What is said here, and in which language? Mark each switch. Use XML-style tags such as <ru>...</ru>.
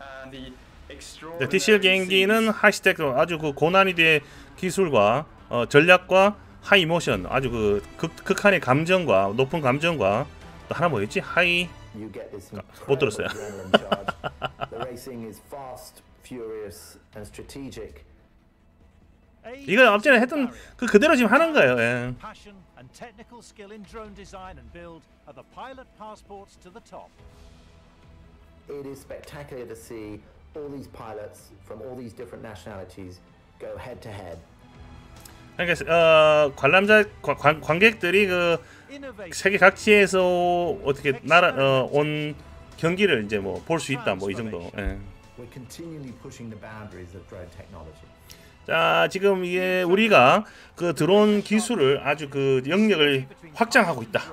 <ko>네, DCL 경기는 하이스텍으로 아주 그 고난이도의 기술과 전략과 하이모션, 아주 그 극한의 감정과 높은 감정과 또 하나 뭐였지? 하이 못 들었어요.</ko> <en>Racing is fast, furious, and strategic.</en> <ko>이거 앞전에 했던 그 그대로 지금 하는 거예요. 예.</ko> <en>Passion and technical skill in drone design and build are the pilot passports to the top. It is spectacular to see all these pilots from all these different nationalities go head to head.</en> <ko>그러니까 관람자 관객들이 그 세계 각지에서 어떻게 나라 온 경기를 이제 뭐 볼 수 있다 뭐 이 정도. 예.</ko> <en>We're continually pushing the boundaries of drone technology.</en> <ko>자, 지금 이게 우리가 그 드론 기술을 아주 그 영역을 확장하고 있다.</ko>